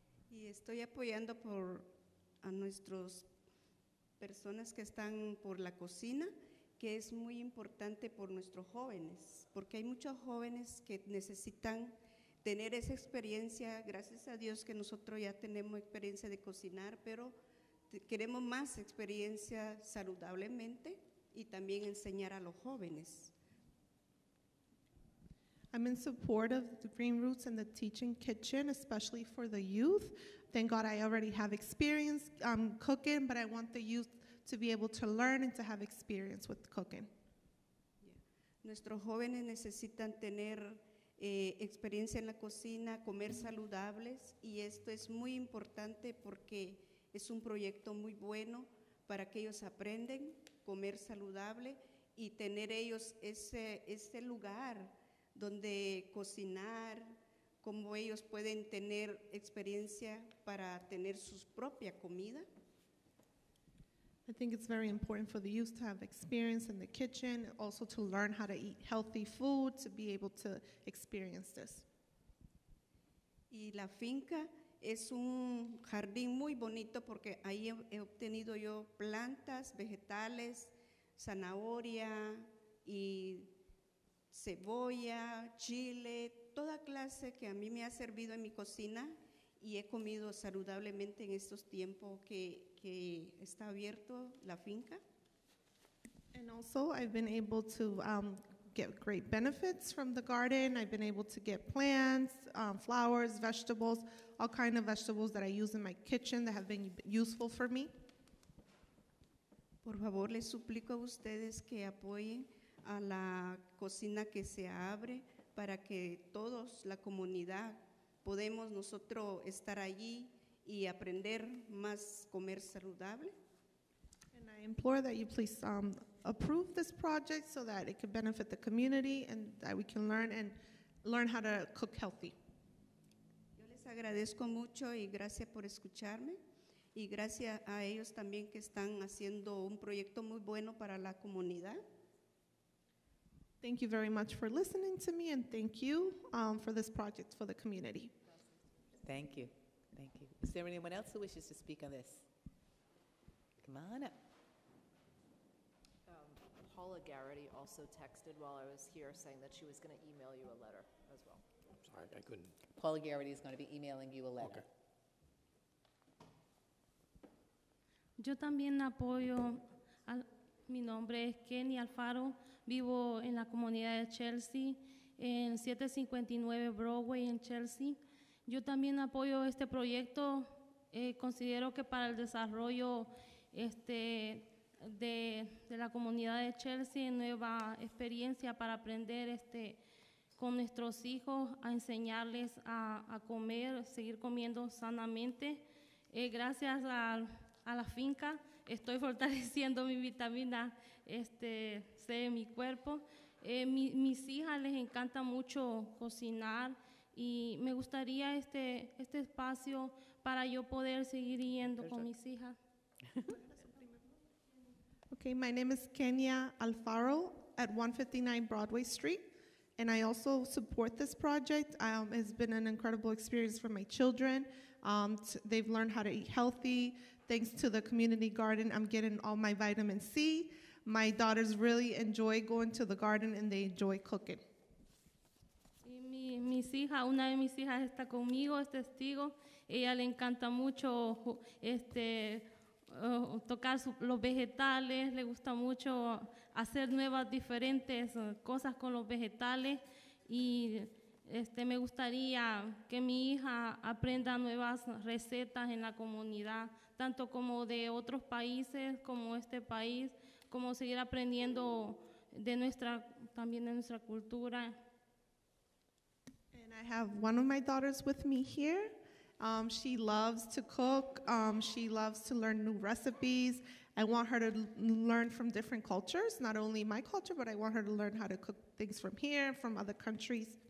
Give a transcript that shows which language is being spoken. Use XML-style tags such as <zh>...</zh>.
<es>Y estoy apoyando por a nuestros personas que están por la cocina, que es muy importante por nuestros jóvenes, porque hay muchos jóvenes que necesitan tener esa experiencia, gracias a Dios que nosotros ya tenemos experiencia de cocinar, pero queremos más experiencia saludablemente y también enseñar a los jóvenes.</es> <en>I'm in support of the Green Roots and the Teaching Kitchen, especially for the youth. Thank God I already have experience cooking, but I want the youth to be able to learn and to have experience with cooking. Yeah.</en> <es>Nuestros jóvenes necesitan tener experiencia en la cocina, comer saludables, y esto es muy importante porque es un proyecto muy bueno para que ellos aprendan comer saludable y tener ellos ese lugar donde cocinar, cómo ellos pueden tener experiencia para tener sus propia comida.</es> <en>I think it's very important for the youth to have experience in the kitchen, also to learn how to eat healthy food, to be able to experience this.</en> <es>Y la finca es un jardín muy bonito porque ahí he obtenido yo plantas, vegetales, zanahoria y cebolla, chile, toda clase que a mí me ha servido en mi cocina y he comido saludablemente en estos tiempos que está abierto la finca.</es> <en>And also I've been able to get great benefits from the garden. I've been able to get plants, flowers, vegetables, all kinds of vegetables that I use in my kitchen that have been useful for me.</en> <es>Por favor, les suplico a ustedes que apoyen a la cocina que se abre para que todos, la comunidad, podemos nosotros estar allí y aprender más comer saludable.</es> <en>And I implore that you please approve this project so that it can benefit the community and that we can learn how to cook healthy.</en> <es>Yo les agradezco mucho y gracias por escucharme. Y gracias a ellos también que están haciendo un proyecto muy bueno para la comunidad.</es> <en>Thank you very much for listening to me and thank you for this project for the community. Thank you. Thank you. Is there anyone else who wishes to speak on this? Come on up. Paula Garrity also texted while I was here saying that she was going to email you a letter as well. I'm sorry, I couldn't. Paula Garrity is going to be emailing you a letter. Okay.</en> <es>Yo también apoyo, mi nombre es Kenny Alfaro, vivo en la comunidad de Chelsea, en 759 Broadway en Chelsea. Yo también apoyo este proyecto, considero que para el desarrollo de la comunidad de Chelsea, nueva experiencia para aprender con nuestros hijos, a enseñarles a comer, seguir comiendo sanamente. Gracias a la finca, estoy fortaleciendo mi vitamina C en mi cuerpo. Mis hijas les encanta mucho cocinar y me gustaría este espacio para yo poder seguir yendo con mis hijas.</es> <en>Okay, my name is Kenya Alfaro at 159 Broadway Street, and I also support this project. It's been an incredible experience for my children. They've learned how to eat healthy. Thanks to the community garden, I'm getting all my vitamin C. My daughters really enjoy going to the garden and they enjoy cooking.</en> <es>Y mis hijas, una de mis hijas está conmigo, es testigo. Ella le encanta mucho tocar los vegetales, le gusta mucho hacer nuevas diferentes cosas con los vegetales y me gustaría que mi hija aprenda nuevas recetas en la comunidad, tanto como de otros países, como este país, como seguir aprendiendo también de nuestra cultura.</es> <en>And I have one of my daughters with me here. She loves to cook. She loves to learn new recipes. I want her to learn from different cultures, not only my culture, but I want her to learn how to cook things from here, from other countries.</en>